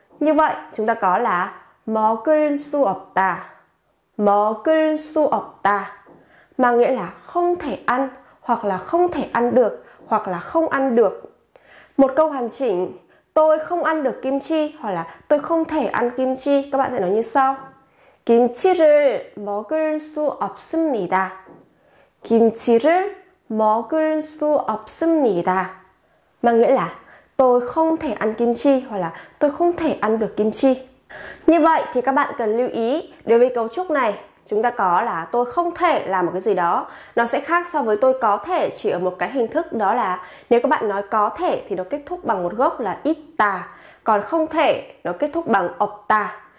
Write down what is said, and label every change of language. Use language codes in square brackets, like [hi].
[vi] Như vậy chúng ta có là [ko] mò cưl su ọc tà. Mò cưl su ọc tà [vi] mang nghĩa là không thể ăn, hoặc là không thể ăn được, hoặc là không ăn được. Một câu hoàn chỉnh. Tôi không ăn được kim chi, hoặc là tôi không thể ăn kim chi, các bạn sẽ nói như sau. [ko] 김치를 먹을 수 없습니다. 김치를 먹을 수 없습니다 [vi] mang nghĩa là tôi không thể ăn kim chi, hoặc là tôi không thể ăn được kim chi. Như vậy thì các bạn cần lưu ý, đối với cấu trúc này chúng ta có là tôi không thể làm một cái gì đó, nó sẽ khác so với tôi có thể, chỉ ở một cái hình thức, đó là nếu các bạn nói có thể thì nó kết thúc bằng một gốc là itta, còn không thể nó kết thúc bằng opta.